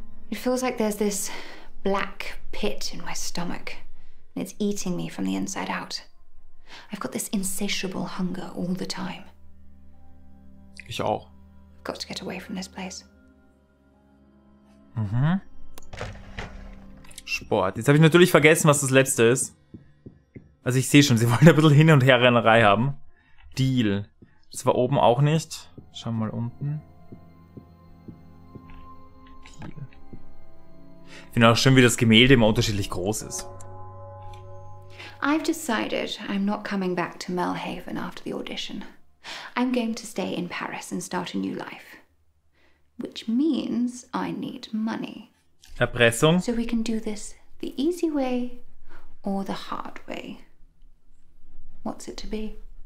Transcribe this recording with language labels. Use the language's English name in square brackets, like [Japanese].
[English] It feels like there's this black pit in my stomach, and it's eating me from the inside out. I've got this insatiable hunger all the time. [German] Ich auch. [English] I've got to get away from this place. [German] Mhm. Sport. Jetzt habe ich natürlich vergessen, was das letzte ist. Also ich sehe schon, sie wollen ein bisschen Hin- und Herrennerei haben. Deal. Das war oben auch nicht. Schau mal unten. Deal. Ich finde auch schön, wie das Gemälde immer unterschiedlich groß ist. [English] I've decided I'm not coming back to Melhaven after the audition. I'm going to stay in Paris and start a new life. Which means I need money. [German] Erpressung. [English] So we can do this the easy way or the hard way. What's it to be?